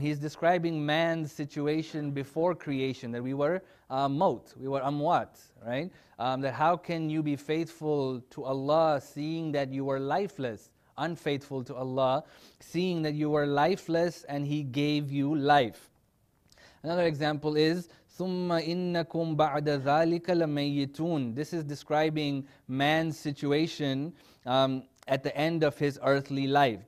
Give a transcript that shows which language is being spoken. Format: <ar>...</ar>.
<en>He's describing man's situation before creation, that we were maut, we were amwat, right? That how can you be faithful to Allah seeing that you were lifeless, unfaithful to Allah, seeing that you were lifeless and He gave you life. Another example is,</en> <ar>ثُمَّ إِنَّكُمْ بَعْدَ ذَٰلِكَ لَمَيِّتُونَ.</ar> <en>This is describing man's situation at the end of his earthly life.</en>